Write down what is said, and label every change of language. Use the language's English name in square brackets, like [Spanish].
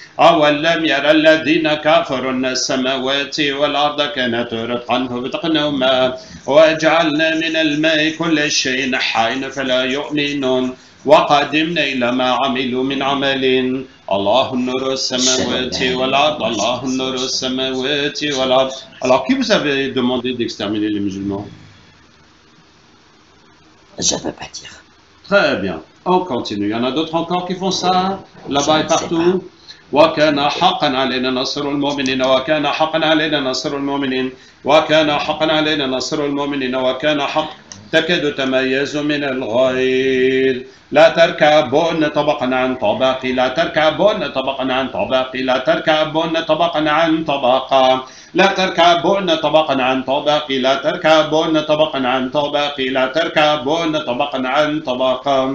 [Arabic] أولم ير الذين كفروا أن السماوات والأرض كانت رتقا فبتقناهما وجعلنا من الماء كل شيء حي فلا يؤمنون وقدمنا إلى ما عملوا من عمل. الله نور السماوات والأرض، الله نور السماوات والأرض. [French] Alors, qui vous avait demandé d'exterminer les musulmans? Je ne peux pas dire. Très bien. On continue. Il y en a d'autres encore qui font ça, là-bas je et partout. [Arabic] وكان حقا علينا نصر المؤمنين وكان حقا علينا نصر المؤمنين وكان حقا علينا نصر المؤمنين وكان حق تكاد تميز من الغيظ. لا تركبون طبقا عن طبق، لا تركبون طبقا عن طبق، لا تركبون طبقا عن طبق، لا تركبون طبقا عن طبق، لا تركبون طبقا عن طبق، لا تركبون طبقا عن طبق،